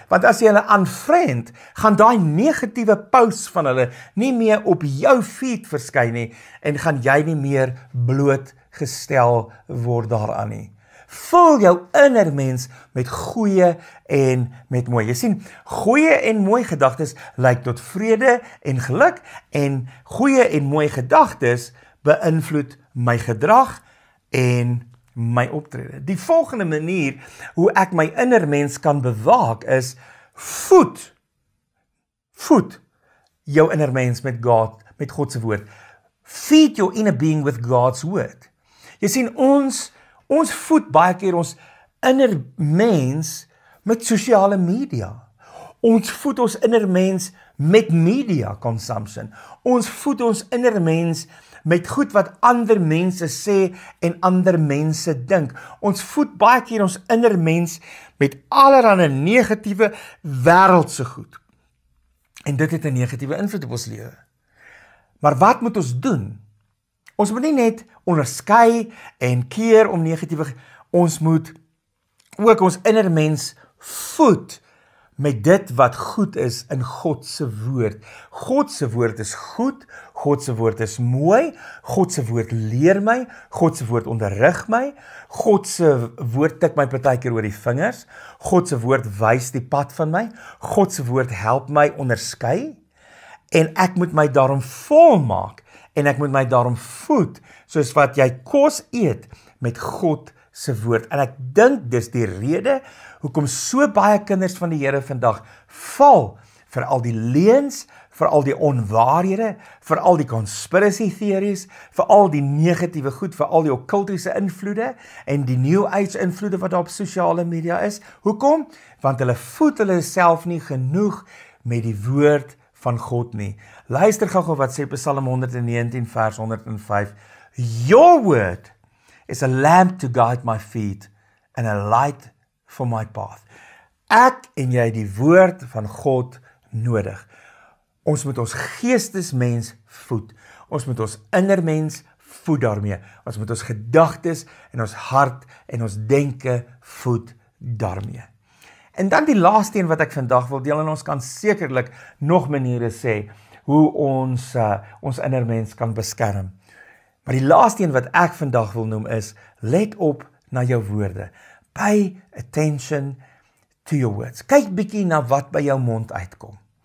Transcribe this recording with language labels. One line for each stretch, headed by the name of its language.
Afrikaans: Want as jy hulle unfriend, gaan daai negatiewe posts van hulle nie meer op jou feed verskyn nie, en gaan jy nie meer blootgestel word daaraan nie. Vul jou inner mens met goeie en met mooi. Jy sien, goeie en mooi gedagtes lyk tot vrede en geluk en goeie en mooi gedagtes beïnvloed my gedrag en my optrede. Die volgende manier hoe ek my inner mens kan bewaak is voed jou inner mens met God, met God se woord.
English: Feed your inner being with God's word.
Afrikaans: Jy sien ons voed baie keer ons inner mens met sosiale media. Ons voed ons inner mens met media consumption. Ons voed ons inner mens met goed wat ander mense sê en ander mense dink. Ons voed baie keer ons inner mens met allerhande negatiewe wêreldse goed. En dit het 'n negatiewe invloed op ons lewe. Maar wat moet ons doen? Ons moet nie net onderskei en keer om negatiewe, ons moet ook ons inner mens voed met dit wat goed is in God se woord. God se woord is goed, God se woord is mooi, God se woord leer my, God se woord onderrig my, God se woord tik my partykeer oor die vingers, God se woord wys die pad van my, God se woord help my onderskei en ek moet my daarom volmaak. En ek moet my daarom voed, soos wat jy kos eet met God se woord. En ek dink dis die rede hoekom so baie kinders van die Here vandag val vir al die leuns, vir al die onwaarhede, vir al die conspiracy theories, vir al die negatiewe goed, vir al die okkultiese invloede en die new age invloede wat daar op sosiale media is. Hoekom? Want hulle voed hulle self nie genoeg met die woord van God nie. Luister gou wat sê Psalm 119 vers 105.
English: Your word is a lamp to guide my feet and a light for my path.
Afrikaans: Ek en jy die woord van God nodig. Ons moet ons geestesmens voed. Ons moet ons inner mens voed daarmee. Ons moet ons gedagtes en ons hart en ons denke voed daarmee. En dan die laaste een wat ek vandag wil deel en ons kan sekerlik nog maniere sê hoe ons ons inner mens kan beskerm. Maar die laaste een wat ek vandag wil noem is let op na jou woorde.
English: Pay attention to your words.
Afrikaans: Kyk bietjie na wat by jou mond uitkom.